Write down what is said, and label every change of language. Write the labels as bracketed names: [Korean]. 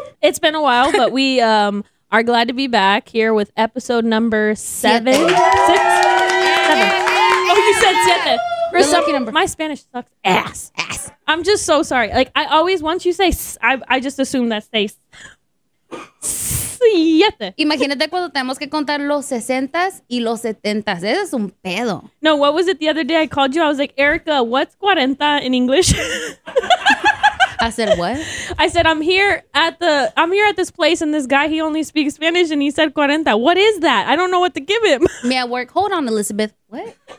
[English] It's been a while, but we are glad to be back here with episode number 7. [Spanish] Siete. [English] Six? Seven. Oh, you said 7. For some, number. My Spanish sucks ass. Ass. I'm just so sorry. Like, I always, once you say, I just assume that's safe. [Spanish] Imagínate cuando tenemos que contar los 60s y los 70s. Eso es un pedo. [English] No, what was it the other day I called you? I was like, Erica, what's 40 in English? I said what? I said I'm here at this place and this guy, he only speaks Spanish, and he said 40. What is that? I don't know what to give him. Me at work. Hold on, Elizabeth. What?